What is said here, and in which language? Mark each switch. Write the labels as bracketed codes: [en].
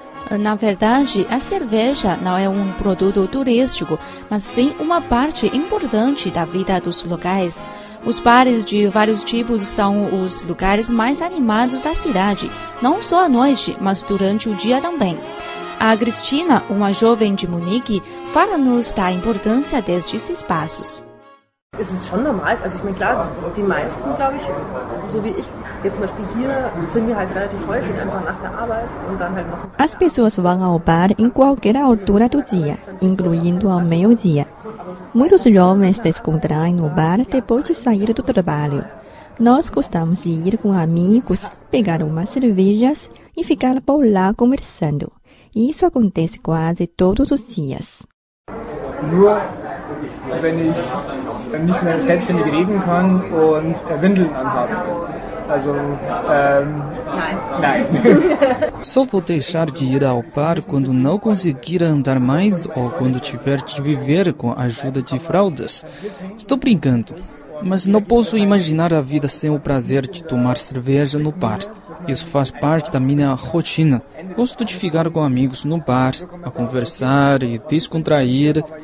[pt] Na verdade, a cerveja não é um produto turístico, mas sim uma parte importante da vida dos locais. Os bares de vários tipos são os lugares mais animados da cidade, não só à noite, mas durante o dia também. A Cristina, uma jovem de Munique, fala-nos da importância destes espaços. [de] Es ist schon normal, also ich meine, klar, die meisten, glaube ich, so wie ich, jetzt zum Beispiel hier, sind wir halt relativ häufig einfach nach der Arbeit und dann halt noch... [pt] As pessoas vão ao bar em qualquer altura do dia, incluindo ao meio-dia. Muitos jovens descontraem no bar depois de sair do trabalho. Nós gostamos de ir com amigos, pegar umas cervejas e ficar por lá conversando. E isso acontece quase todos os dias. [de] Nur wenn ich nicht mehr selbstständig reden kann und Windeln anhab. Also, nein. [pt] Só vou deixar de ir ao bar quando não conseguir andar mais ou quando tiver de viver com a ajuda de fraldas. Estou brincando, mas não posso imaginar a vida sem o prazer de tomar cerveja no bar. Isso faz parte da minha rotina. Gosto de ficar com amigos no bar, a conversar e descontrair.